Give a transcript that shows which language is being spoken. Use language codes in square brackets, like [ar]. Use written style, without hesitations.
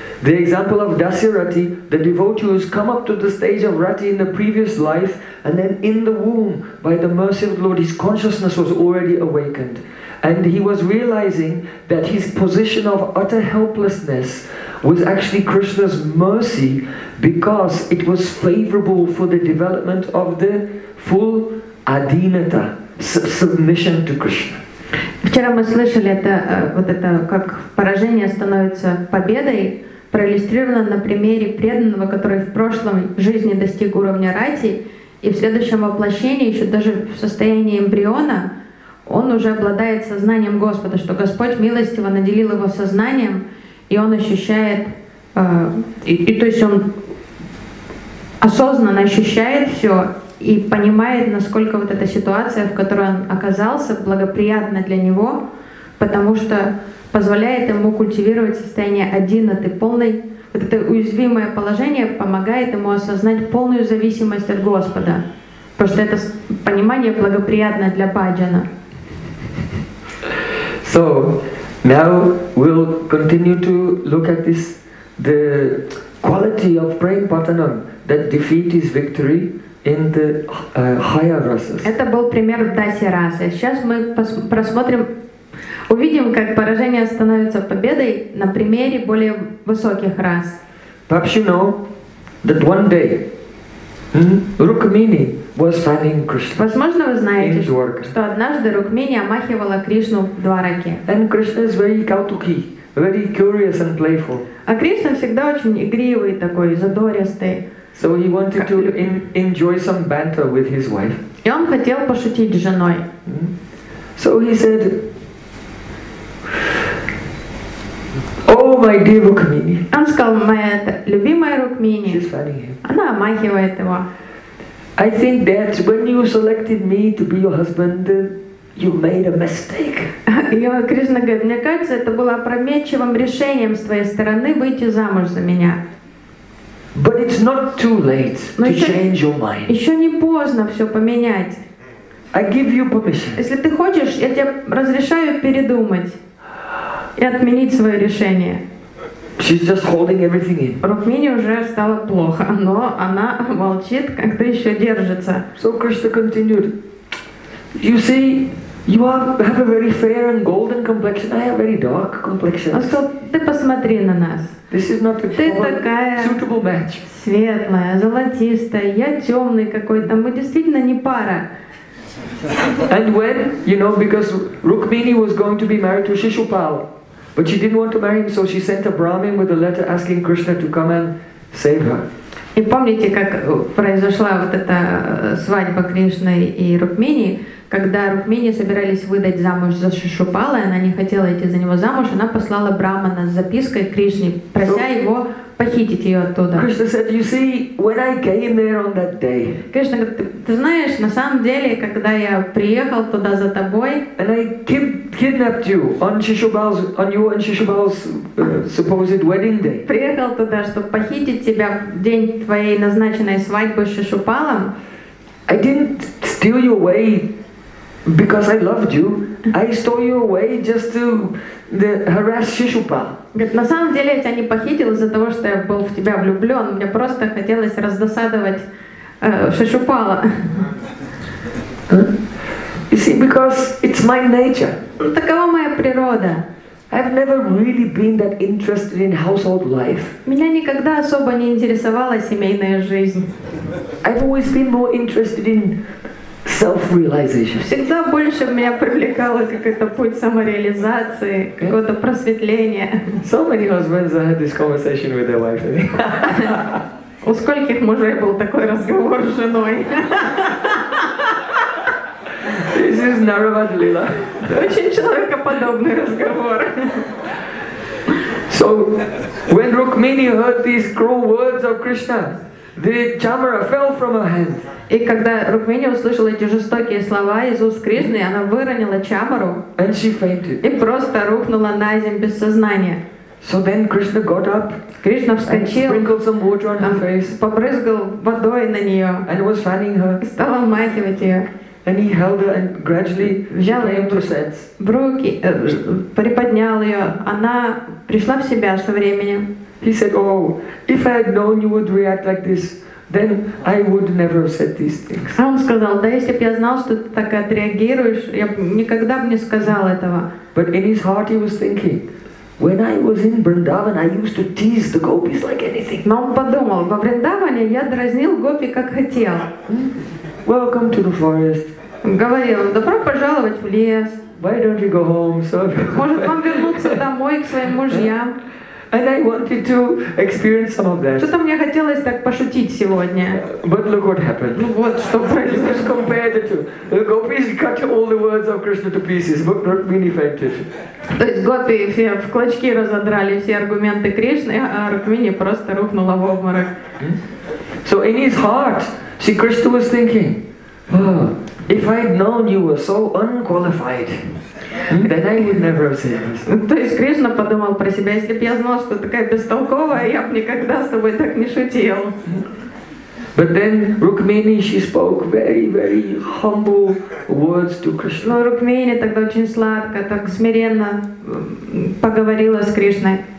[en] The example of Dasyarathi, the devotee who has come up to the stage of Rati in the previous life, and then in the womb, by the mercy of the Lord, his consciousness was already awakened. And he was realizing that his position of utter helplessness was actually Krishna's mercy because it was favorable for the development of the full adhinata, submission to Krishna. [ru] Вчера мы слышали это, вот это, как поражение становится победой, проиллюстрировано на примере преданного, который в прошлом жизни достиг уровня рати, и в следующем воплощении, еще даже в состоянии эмбриона, он уже обладает сознанием Господа, что Господь милостиво наделил его сознанием, и он ощущает, то есть он осознанно ощущает все и понимает, насколько вот эта ситуация, в которой он оказался, благоприятна для него, потому что позволяет ему культивировать состояние одиноты, полной, вот это уязвимое положение помогает ему осознать полную зависимость от Господа, потому что это понимание благоприятно для баджана. [en] So now we'll continue to look at this, the quality of praying patanam, that defeat is victory in the higher rasas. [ru] Это был пример даси расы. Сейчас мы посмотрим, увидим, как поражение становится победой на примере более высоких рас. [en] Perhaps you know that one day Rukmini was fanning Krishna. [ru] Возможно, вы знаете, что однажды Рукмини омахивала Кришну в Двараке. [en] And Krishna is very kautuki, very curious and playful. [ru] А Кришна всегда очень игривый такой, задористый. [en] So he wanted to enjoy some banter with his wife. [ru] И он хотел пошутить с женой. [en] So he said, "Oh, my dear Rukmini." [ru] Он сказал, моя любимая Рукмини. [en] She's fanning him. [ru] Она омахивает его. [en] I think that when you selected me to be your husband, you made a mistake. [ru] Я Кришна говорит, мне кажется, это было опрометчивым решением с твоей стороны выйти замуж за меня. [en] But it's not too late to change your mind. [ru] Еще не поздно все поменять. [en] I give you permission. [ru] Если ты хочешь, я тебе разрешаю передумать и отменить свое решение. [en] She's just holding everything in. [ru] Рукмини уже стало плохо, но она молчит, как-то еще держится. [en] So Krishna continued. You see, you have a very fair and golden complexion. I have very dark complexion. [ru] Он сказал, ты посмотри на нас. [en] This is not the suitable match. [ru] Ты такая светлая, золотистая. Я темный какой-то. Мы действительно не пара. [en] And when, you know, because Rukmini was going to be married to Shishupal. But she didn't want to marry him, so she sent a Brahmin with a letter asking Krishna to come and save her. [ru] И помните, как произошла вот эта свадьба Кришны и Рукмини, когда Рукмини собирались выдать замуж за Шишупала, и она не хотела идти за него замуж, она послала Брахмана с запиской Кришне, прося его похитить ее оттуда. [en] Krishna said, "You see, when I came there on that day." [ru] Кришна говорит, ты знаешь, на самом деле, когда я приехал туда за тобой, [en] and I kidnapped you on Shishupal's, on you and Shishupal's supposed wedding day. [ru] Приехал туда, чтобы похитить тебя в день твоей назначенной свадьбы с Шишупалом. [en] I didn't steal you away because I loved you. I stole you away just to harass Shishupal. [ru] Говорит, на самом деле я тебя не похитил из-за того, что я был в тебя влюблен. Мне просто хотелось раздосадовать Шишупала. [en] You see, because it's my nature. [ru] Такова моя природа. [en] I've never really been that interested in household life. [ru] Меня никогда особо не интересовала семейная жизнь. [en] I've always been more interested in self-realization. [ru] Всегда больше меня привлекало какой-то путь самореализации, какого-то просветления. [en] So many husbands had this conversation with their wife. [ru] У скольких мужей был такой разговор с женой? [en] This is Narayana Lila. [ru] Очень человекоподобный разговор. [en] So when Rukmini heard these cruel words of Krishna, the chamara fell from her hand. [ru] И когда Рукмини услышала эти жестокие слова из уст Кришны, она выронила чамару. [en] And she fainted. [ru] И просто рухнула на землю без сознания. [en] So then Krishna got up. [ru] Кришна вскочил. [en] And sprinkled some water on her face. [ru] Побрызгал водой на нее. [en] And was fanning her. [ru] И стал омахивать ее. [en] And he held her and gradually [ru] взял ее [en] to sense. [ru] В руки, приподнял ее. Она пришла в себя со временем. [en] He said, "Oh, if I had known you would react like this, then I would never have said these things." [ru] А он сказал, да, если бы я знал, что ты так отреагируешь, я никогда бы не сказал этого. [en] But in his heart he was thinking, "When I was in Vrindavan, I used to tease the gopis like anything." [ru] Но он подумал, во Вриндаване я дразнил гопи как хотел. [en] Welcome to the forest. [ru] Говорил, добро пожаловать в лес. [en] Why don't you go home, sir? [ru] Может, вам вернуться домой к своим мужьям? [en] And I wanted to experience some of that. [ru] Что-то мне хотелось так пошутить сегодня. [en] But look what happened. [ru] Ну вот, что произошло. [en] Just compare the two. The gopis cut all the words of Krishna to pieces, but not being affected. [ru] То есть гопи все в клочки разодрали все аргументы Кришны, а Рукмини просто рухнула в обморок. [en] So in his heart, see, Krishna was thinking, if I'd known you were so unqualified, then I would never have seen this. [ru] То есть Кришна подумал про себя, если бы я знал, что такая бестолковая, я бы никогда с тобой так не шутил. [en] But then Rukmini, she spoke very, very humble words to Krishna. [ru] Но Рукмини тогда очень сладко, так смиренно поговорила с Кришной.